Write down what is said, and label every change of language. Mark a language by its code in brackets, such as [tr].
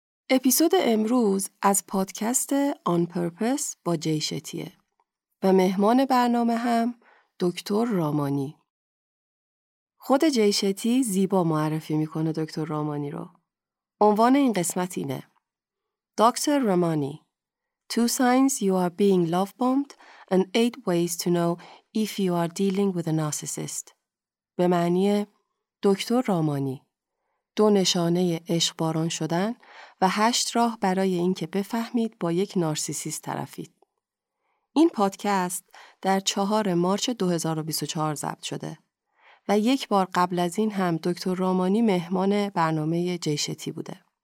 [fa] اپیزود امروز از پادکست On Purpose با جی شتیه و مهمان برنامه هم دکتر رامانی. خود جی شتی زیبا معرفی میکنه دکتر رامانی رو. عنوان این قسمت اینه: Dr. [en] Ramani, two signs you are being love-bombed and eight ways to know if you are dealing with a narcissist. [fa] به معنی دکتر رامانی، دو نشانه عشق باران شدن و 8 راه برای اینکه بفهمید با یک نارسیسیست طرفید. این پادکست در 4 مارچ 2024 ضبط شده و یک بار قبل از این هم دکتر رامانی مهمان برنامه جیشتی بوده.